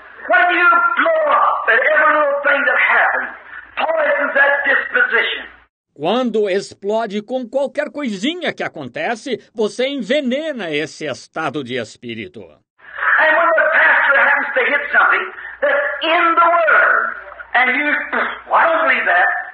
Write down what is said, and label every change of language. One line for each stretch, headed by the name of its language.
English: When you blow up at every little thing that happens, poisons that disposition.
Portuguese: Quando explode com qualquer coisinha que acontece, você envenena esse estado de espírito.
English: And when the pastor happens happens to hit something that's in the Word, and you, well, I don't believe that.